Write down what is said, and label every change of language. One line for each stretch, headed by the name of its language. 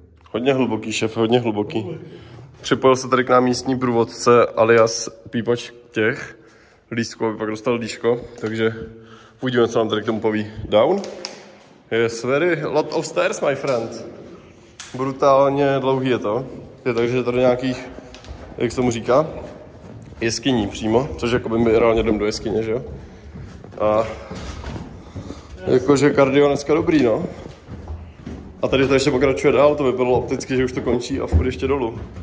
Czech: Hodně hluboký šéf, hodně hluboký. Připojil se tady k nám místní průvodce alias Pípač těch. lístku, aby pak dostal lístko, takže uvidíme, co nám tady k tomu poví.
English: Down? Yes, very lot of stairs, my friend.
Czech: Brutálně dlouhý je to. Je tak, že je tady nějakých, jak se tomu říká, jeskyní přímo, což jako by mi reálně jdem do jeskyně, že jo? A jakože kardio dneska dobrý, no. A tady to ještě pokračuje dál, to by bylo opticky, že už to končí a furt ještě dolů.